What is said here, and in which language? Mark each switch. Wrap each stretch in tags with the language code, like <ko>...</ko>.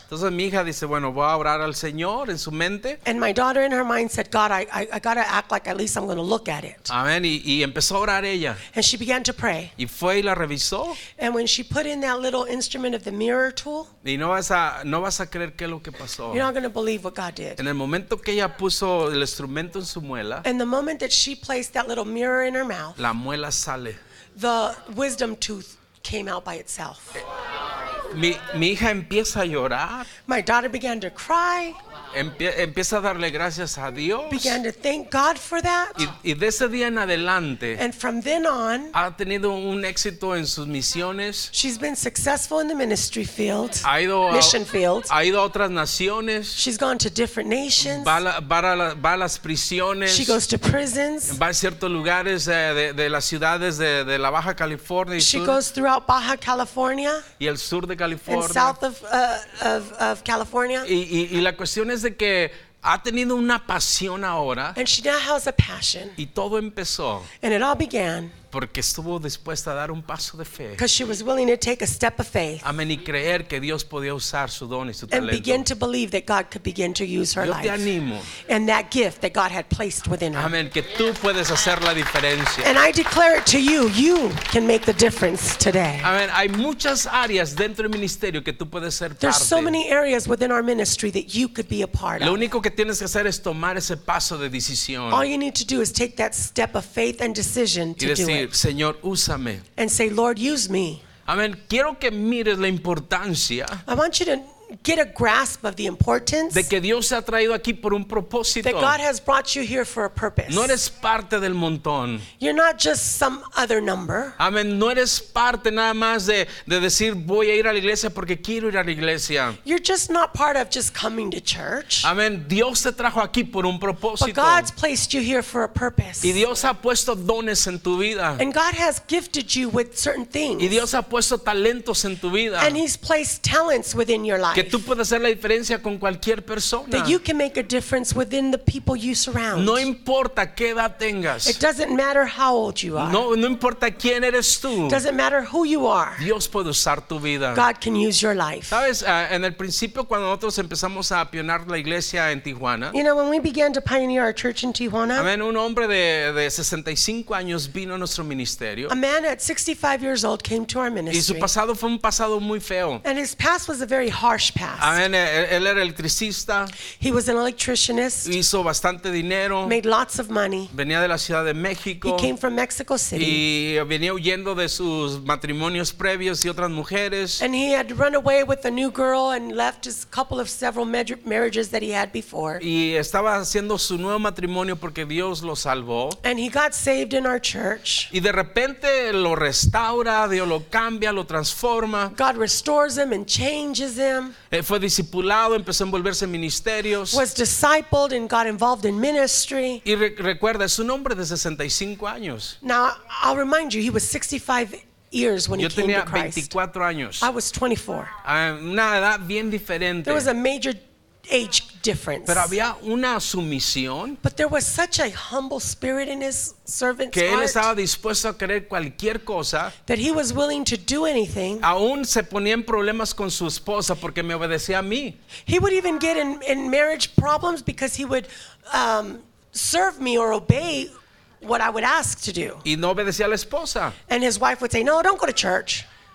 <es>Entonces mi hija dice, bueno, voy a orar al Señor en su mente.</es> <en>And my daughter in her mind said, God, I gotta act like at least I'm gonna look at it.</en> <es>Amen. Y empezó a orar ella.</es> <en>And she began to pray.</en> <es>Y fue y la revisó.</es> <en>And when she put in that little instrument of the mirror tool.</en> <es>Y no vas a creer qué es lo que pasó.</es> <en>You're not gonna believe what God did.</en> <es>En el momento que ella puso el instrumento en su</es> <en>And the moment that she placed that little mirror in her mouth,</en> <es>la muela sale.</es> <en>The wisdom tooth came out by itself.</en> <es>Mi hija empieza a llorar.</es> <en>My daughter began to cry.</en> <es>Empieza a darle gracias a Dios.</es> <en>Began to thank God for that.</en> <es>Y de ese día en adelante,</es> <en>and from then on,</en> <es>ha tenido un éxito en sus misiones.</es> <en>She's been successful in the ministry field.</en> <es>Ha ido</es> <en>mission field.</en> <es>Ha ido a otras naciones.</es> <en>She's gone to different nations.</en> <es>Va a las prisiones.</es> <en>She goes to prisons.</en> <es>Va a ciertos lugares de las ciudades de la Baja California.</es> <en>She goes throughout Baja California.</en> <es>Y el sur de California.</es> <en>And south of California.</en> <es>Y la cuestión es de que ha tenido una pasión ahora.</es> <en>And she now has a passion.</en> <es>Y todo empezó.</es> <en>And it all began.</en> <es>Porque estuvo dispuesta a dar un paso de fe.</es> <en>Because she was willing to take a step of faith.</en> <es>Amén, y creer que Dios podía usar su don y su talento.</es> <en>And begin to believe that God could begin to use her</en> <es>Yo</es> <en>life.</en> <es>Yo te animo.</es> <en>And that gift that God had placed within her.</en> <es>Amén, que tú puedes hacer la diferencia.</es> <en>And I declare it to you, you can make the difference today.</en> <es>Amén, hay muchas áreas dentro del ministerio que tú puedes ser parte.</es> <en>There's so many areas within our ministry that you could be a part of.</en> <es>Lo único que tienes que hacer es tomar ese paso de decisión.</es> <en>All you need to do is take that step of faith and decision to do it.</en> <es>Señor, úsame.</es> <en>And say, Lord, use me.</en> <es>Amen. Quiero que mires la importancia.</es> <en>I want you to get a grasp of the importance.</en> <es>De que Dios se ha traído aquí por un propósito.</es> <en>That God has brought you here for a purpose.</en> <es>No eres parte del montón.</es> <en>You're not just some other number.</en> <es>Amen. No eres parte nada más de decir voy a ir a la iglesia porque quiero ir a la iglesia.</es> <en>You're just not part of just coming to church.</en> <es>Amen. Dios te trajo aquí por un propósito.</es> <en>But God's placed you here for a purpose.</en> <es>Y Dios ha puesto dones en tu vida.</es> <en>And God has gifted you with certain things.</en> <es>Y Dios ha puesto talentos en tu vida.</es> <en>And He's placed talents within your life.</en> <es>Que tú puedas hacer la diferencia con cualquier persona.</es> <en>That you can make a difference within the people you surround.</en> <es>No importa qué edad tengas.</es> <en>It doesn't matter how old you are.</en> <es>No importa quién eres tú.</es> <en>It doesn't matter who you are.</en> <es>Dios puede usar tu vida.</es> <en>God can use your life.</en> <es>Sabes, en el principio cuando nosotros empezamos a pionar la iglesia en Tijuana.</es> <en>You know, when we began to pioneer our church in Tijuana.</en> <es>Amen, un hombre de 65 años vino a nuestro ministerio.</es> <en>A man at 65 years old came to our ministry.</en> <es>Y su pasado fue un pasado muy feo.</es> <en>And his past was a very harsh past.</en> <es>Amen. Él era electricista.</es> <en>He was an electricianist.</en> <es>Hizo bastante dinero.</es> <en>Made lots of money.</en> <es>Venía de la Ciudad de México.</es> <en>He came from Mexico City.</en> <es>Y venía huyendo de sus matrimonios previos y otras mujeres.</es> <en>And he had run away with a new girl and left his couple of several marriages that he had before.</en> <es>Y estaba haciendo su nuevo matrimonio porque Dios lo salvó.</es> <en>And he got saved in our church.</en> <es>Y de repente lo restaura, Dios lo cambia, lo transforma.</es> <en>God restores him and changes him.</en> <es>Fue discipulado, empezó a envolverse en ministerios.</es> <en>Was discipled and got involved in ministry.</en> <es>Y recuerda, es un hombre de 65 años.</es> <en>Now, I'll remind you, he was 65 years when</en> <es>Yo</es> <en>he came to Christ.</en> <es>Yo tenía 24 años.</es> <en>I was 24.</en> <es>Una edad bien diferente.</es> <en>There was a major age difference.</en> <es>Pero había una sumisión.</es> <en>But there was such a humble spirit in his servant's</en> <es>que él</es> <en>heart,</en> <es>estaba dispuesto a creer cualquier cosa.</es> <en>That he was willing to do anything.</en> <es>Aún se ponía en problemas con su esposa porque me obedecía a mí.</es> <en>He would even get in marriage problems because he would serve me or obey what I would ask to do.</en> <es>Y no obedecía a la esposa.</es> <en>And his wife would say, "No, don't go to church."</en>